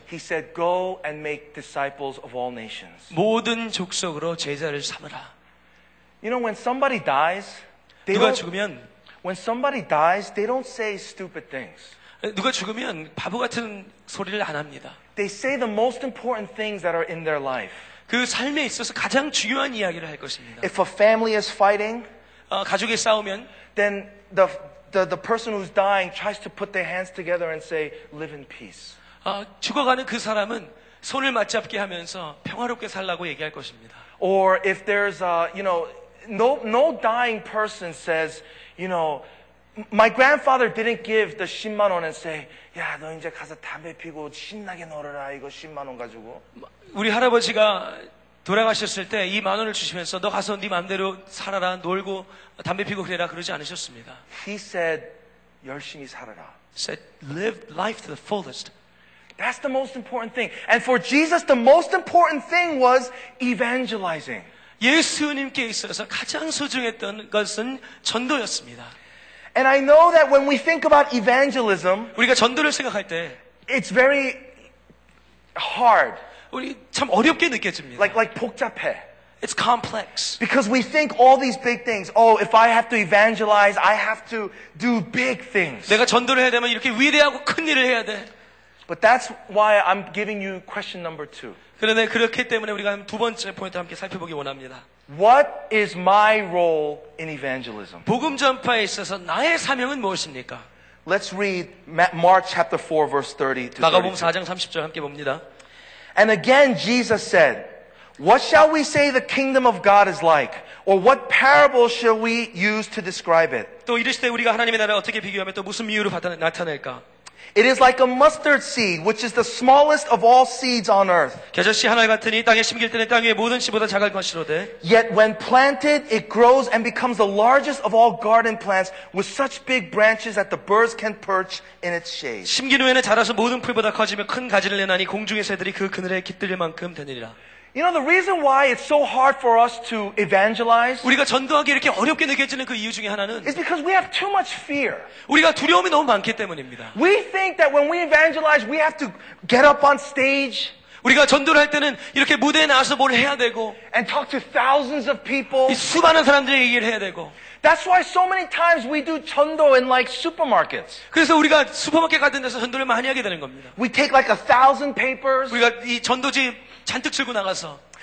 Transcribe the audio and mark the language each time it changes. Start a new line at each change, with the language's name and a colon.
English: He said, "Go and make disciples of all nations."
Korean: 모든 족속으로 제자를 삼으라.
English: You know, when somebody dies, they
Korean: 누가 죽으면
English: when somebody dies, they don't say stupid things.
Korean: 누가 죽으면 바보 같은 소리를 안 합니다.
English: They say the most important things that are in their life.
Korean: 그 삶에 있어서 가장 중요한 이야기를 할 것입니다.
English: If a family is fighting,
Korean: 가족이 싸우면
English: then the person who's dying tries to put their hands together and say, "Live in peace."
Korean: 죽어가는 그 사람은 손을 맞잡게 하면서 평화롭게 살라고 얘기할 것입니다.
English: Or if there's a, you know, no dying person says, you know, "My grandfather didn't give the 10만 원 and say,
Korean: 야, 너 이제 가서 담배 피고 신나게 놀아라, 이거 10만 원 가지고." 우리 할아버지가 돌아가셨을 때 이 만 원을 주시면서 너 가서 네 마음대로 살아라, 놀고 담배 피고 그래라 그러지 않으셨습니다.
English: He said,
Korean: 열심히 살아라.
English: Said, live life to the fullest. That's the most important thing. And for Jesus, the most important thing was evangelizing.
Korean: 예수님께 있어서 가장 소중했던 것은 전도였습니다.
English: And I know that when we think about evangelism,
Korean: 우리가 전도를 생각할 때,
English: it's very hard.
Korean: 우리 참 어렵게 느껴집니다. Like 복잡해.
English: It's complex. Because we think all these big things. Oh, if I have to evangelize, I have to do big things.
Korean: 내가 전도를 해야 되면 이렇게 위대하고 큰 일을 해야 돼.
English: But that's why I'm giving you question number two.
Korean: 그런데 그렇기 때문에 우리가 두 번째 포인트 함께 살펴보기 원합니다.
English: What is my role in evangelism?
Korean: 복음 전파에 있어서 나의 사명은 무엇입니까?
English: Let's read Mark chapter 4 verse 30 to 32.
Korean: 마가복음 4장 30절 함께 봅니다.
English: And again Jesus said, "What shall we say the kingdom of God is like? Or what parable shall we use to describe it?"
Korean: 또 이르시되 우리가 하나님의 나라를 어떻게 비교하며 또 무슨 비유로 나타낼까?
English: It is like a mustard seed, which is the smallest of all seeds on earth.
Korean: 겨자씨 하나 같으니 땅에 심길 때는 땅 위에 모든 씨보다 작을 것이로되.
English: Yet when planted, it grows and becomes the largest of all garden plants, with such big branches that the birds can perch in its shade.
Korean: 심긴 후에는 자라서 모든 풀보다 커지며 큰 가지를 내나니 공중의 새들이 그 그늘에 깃들일 만큼 되느니라.
English: You know the reason why it's so hard for us to evangelize?
Korean: 우리가 전도하기 이렇게 어렵게 느껴지는 그 이유 중에 하나는
English: is because we have too much fear.
Korean: 우리가 두려움이 너무 많기 때문입니다.
English: We think that when we evangelize, we have to get up on stage.
Korean: 우리가 전도를 할 때는 이렇게 무대에 나와서 뭘 해야 되고
English: and talk to thousands of people.
Korean: 이 수많은 사람들에게 얘기를 해야 되고.
English: That's why so many times we do 전도 in like supermarkets.
Korean: 그래서 우리가 슈퍼마켓 같은 데서 전도를 많이 하게 되는 겁니다.
English: We take like 1,000 papers.
Korean: 우리가 이 전도지 잔뜩 들고 나가서